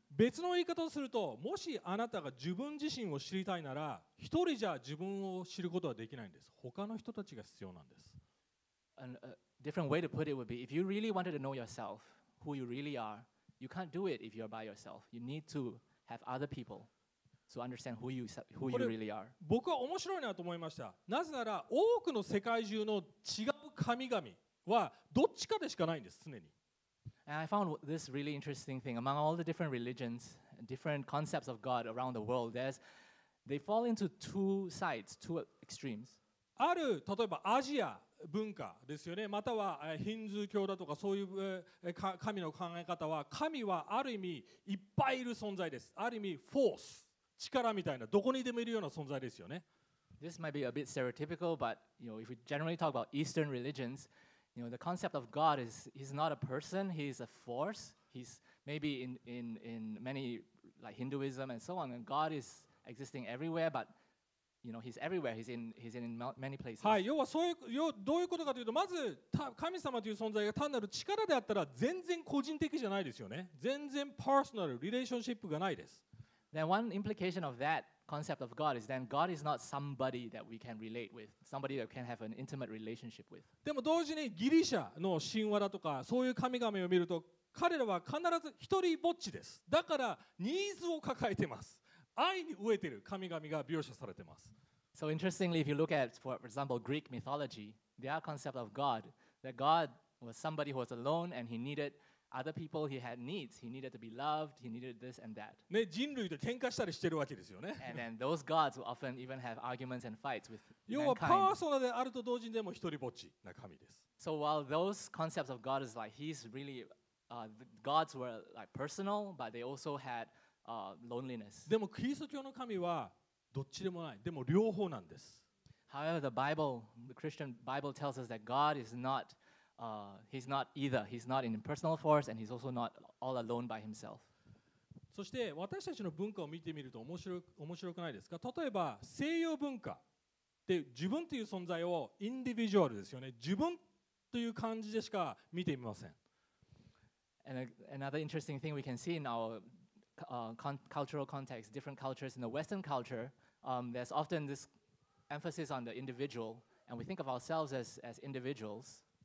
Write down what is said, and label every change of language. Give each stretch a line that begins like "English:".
Japanese: 別の言い方をすると、もしあなたが自分自身を知りたいなら、一人じゃ自分を知ることはできないんです。他の人たちが必要なんです。
English: A different way to put it would be, if you really wanted to know yourself, who you really are, you can't do it if you're by yourself. You need to have other people to understand who you really are.
Japanese: 僕は面白いなと思いました。なぜなら、多くの世界中の違う神々はどっちかでしかないんです、常に。
English: And I found this really interesting thing among all the different religions different concepts of God around the world, there's they fall into two sides, two extremes.
Japanese: ある例えばアジア文化ですよね。またはヒンズー教だとかそういう神の考え方は、神はある意味いっぱいいる存在です。ある意味フォース、力みたいな、どこにでもいるような存在ですよね。
English: This might be a bit stereotypical, but you know, if we generally talk about Eastern religions, you know, the concept of God is he's not a person, he's a force. He's maybe in many like Hinduism and so on, and God is existing everywhere, but you know, he's everywhere. He's in many places.
Japanese: はい、要はそういう、要どういうことかというと、まず神様という存在が単なる力であったら全然個人的じゃないですよね。全然
English: personal relationship
Japanese: がないです。
English: Then one implication of that concept of God is then God is not somebody that we can relate with, somebody that we can have an intimate relationship with.
Japanese: でも同時にギリシャの神話だとかそういう神々を見ると、彼らは必ず一人ぼっちです。だからニーズを抱えてます。愛に飢えてる神々が描写されてます。
English: So interestingly, if you look at, for example, Greek mythology, their concept of God, that God was somebody who was alone and he needed other people, he had needs, he needed to be loved, he needed this and that.
Japanese: ね、人類と喧嘩したりしてるわけですよね。
English: And then those gods will often even have arguments and fights with mankind.
Japanese: 要はパーソナであると同時にでも一人ぼっちな神です。
English: So while those concepts of God is like, he's really, the gods were like personal, but they also had loneliness.
Japanese: でもキリスト教の神はどっちでもない。でも両方なんです。
English: However, the Christian Bible tells us that God is not he's not either. He's not in impersonal force, and he's also not all alone by himself.
Japanese: そして私たちの文化を見てみると面白くないですか。例えば西洋文化で自分という存在をインディビジュアルですよね。自分という感じでしか見ていません。
English: And another interesting thing we can see in our cultural context, different cultures in the Western culture, there's often this emphasis on the individual, and we think of ourselves as individuals.